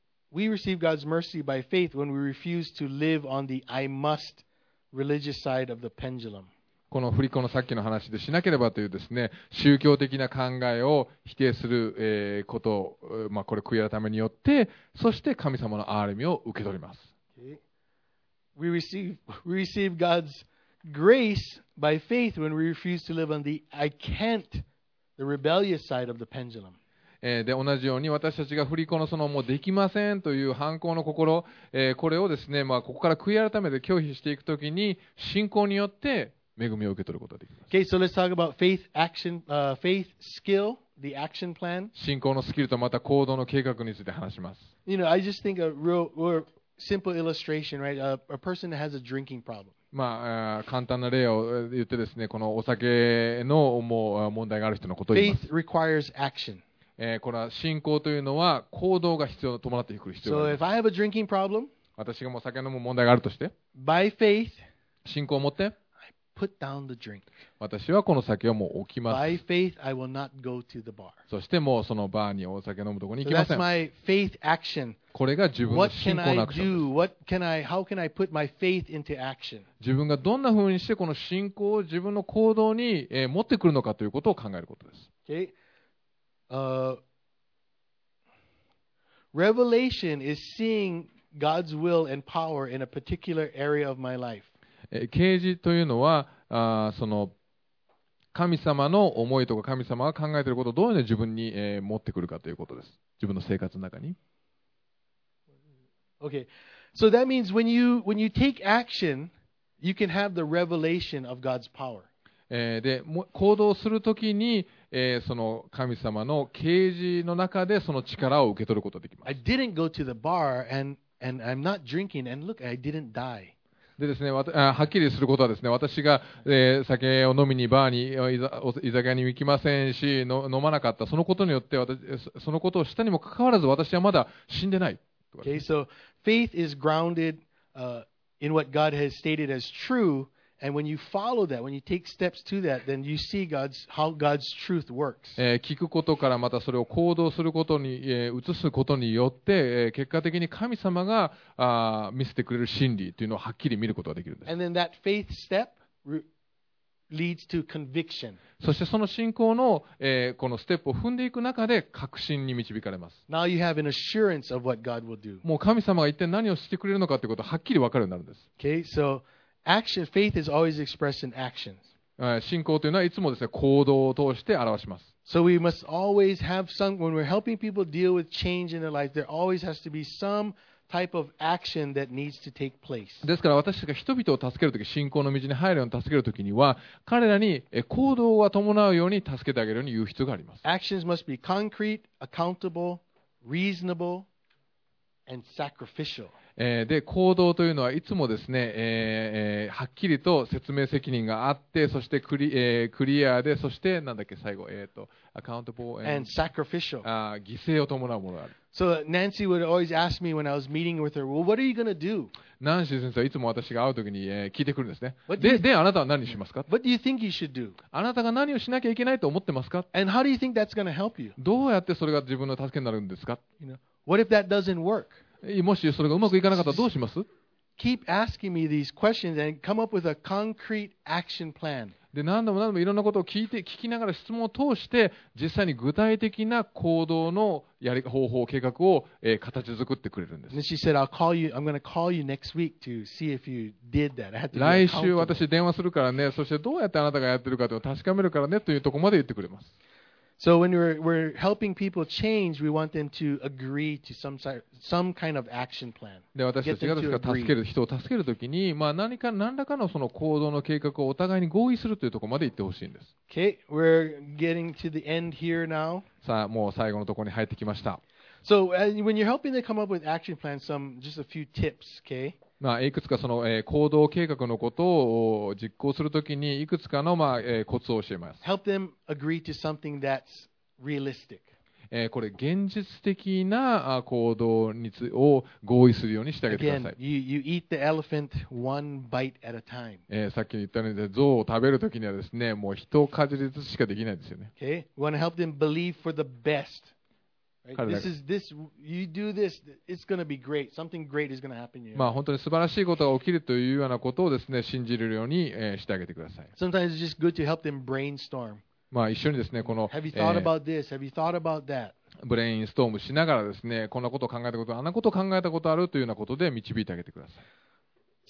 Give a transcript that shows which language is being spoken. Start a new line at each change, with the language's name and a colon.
English: We receive God's mercy by faith when we refuse to live on the I must religious side of the pendulum.
Japanese: この振り子のさっきの話でしなければというですね、宗教的な考えを否定する、こと、まあ、これ悔い改めによって、そして神様の憐れみを受け取ります。
English: Okay. We receive God's grace by faith when we refuse to live on the I can't, the rebellious side of the pendulum.
Japanese: で同じように私たちが振り子のそのもうできませんという反抗の心、これをですね、まあ、ここから悔い改めて拒否していくときに信仰によって恵みを受け取ることができます。
English: Okay, so let's talk about faith action, faith skill, the action plan.
Japanese: 信仰のスキルとまた行動の計画について話します。
English: You know, I just think a real, real simple illustration, right? A person that has a drinking problem.
Japanese: まあ、簡単な例を言ってですね、このお酒のもう問題がある人のことを言います。
English: Faith requires action.
Japanese: これは信仰というのは行動が必要伴ってくる必要があります。
English: So if I have a drinking problem,
Japanese: 私がもう酒飲む問題があるとして、
English: by faith,
Japanese: 信仰を持って、
English: I put down the drink.
Japanese: 私はこの酒をもう置きます。
English: By faith, I will not go to the bar.
Japanese: そしてもうそのバーにお酒飲むところに行きません。
English: So、that's my faith action.
Japanese: これが自分の信仰のアクションです。
English: What can I do? What can I? How can I put my faith into action?
Japanese: 自分がどんなふうにしてこの信仰を自分の行動に、持ってくるのかということを考えることです。
English: Okay. Revelation is seeing God's will and power in a particular area of my life.
Japanese: 啓示というのは、その神様の思いとか神様が考えていることをどういうふうに自分に、持ってくるかということです。自分の生活の中に。
English: Okay. So that means when you take action, you can have the revelation of God's power.
Japanese: で行動するときに、その神様の啓示の中でその力を受け取ることができます。
English: I didn't go to the bar and I'm not drinking and look, I didn't die.
Japanese: でですね、はっきりすることはですね、私が、酒を飲みにバーに居酒屋に行きませんし、飲まなかった。そのことによって私、そのことをしたにもかかわらず私はまだ死んでないと
English: か。Okay, so faith is grounded, in what God has stated as true. And when you follow that, when you take steps to that, then you see how God's truth works.
Japanese: 聞くことからまたそれを行動することに、移すことによって、結果的に神様が見せてくれる真理というのをはっきり見ることができるんです。
English: And then that faith step leads to conviction.
Japanese: そしてその信仰の、このステップを踏んでいく中で確信に導かれます。
English: Now you have an assurance of what God will do.
Japanese: もう神様が一体何をしてくれるのかということははっきり分かるようになるんです。
English: Okay, so... Action, faith is always expressed in actions.
Japanese: 信仰というのはいつもですね、行動を通して表します。
English: So we must always have some, when we're helping people deal with change in their life, there always has to be some type of action that needs to take place.
Japanese: ですから私たちが人々を助けるとき、信仰の道に入るように助けるときには、彼らに行動が伴うように助けてあげるように言う必要があります。
English: Actions must be concrete, accountable, reasonable, and sacrificial.
Japanese: で行動というのはいつもですね、はっきりと説明責任があって、そしてクリアで、そしてなんだっけ最後、accountable
English: and sacrificial
Japanese: 犠牲を伴うものがある。
English: So Nancy would always ask me when I was meeting with her, well, what are you gonna do?
Japanese: ナンシー先生はいつも私が会うときに、聞いてくるんですね。で、あなたは何にしますか
English: ？What do you think you should do?
Japanese: あなたが何をしなきゃいけないと思ってますか
English: ？And how do you think that's gonna help you?
Japanese: どうやってそれが自分の助けになるんですか
English: ？You know, what if that doesn't work?
Japanese: もしそれがうまくいかなかったらどうします？
English: Keep asking me these questions and come up with a concrete action plan.
Japanese: で何度も何度もいろんなことを聞いて聞きながら質問を通して実際に具体的な行動のやり方法計画を、形作ってくれるんです。
English: And she said, I'll call you. I'm going to call you next week to see if you did that. I have to
Japanese: 来週私電話するからね。そしてどうやってあなたがやってるかというのを確かめるからねというところまで言ってくれます。
English: So when we're helping people change, we want them to agree to some kind of action plan.
Japanese: で私たちがですか助ける人を助けるときに、まあ何らかのその行動の計画をお互いに合意するというところまで行ってほしいんです。
English: Okay, we're getting to the end here now.
Japanese: さあもう最後のところに入ってきました。
English: So when you're helping them come up with action plans, some just a few tips, okay?
Japanese: まあ、いくつかその、行動計画のことを実行するときにいくつかの、まあコツを教えます。
English: Help them agree to something that's realistic.
Japanese: これ現実的な行動につを合意するようにしてあげてください。
English: Again, you eat the elephant one bite at a time.
Japanese: さっき言ったように象を食べるときにはですねもう一かじりずつしかできないですよね。
English: Okay, we want to help them believe for the best. This, you do this, it's going to be great. Something great is going to happen to you.
Japanese: まあ本当に素晴らしいことが起きるというようなことをですね信じれるように、してあげてください。
English: Sometimes it's just good to help them brainstorm.
Japanese: まあ一緒にですねこの
English: Have you thought about this? Have you thought about that?
Japanese: ブレインストームしながらですねこんなことを考えたことあんなことを考えたことあるというようなことで導いてあげてください。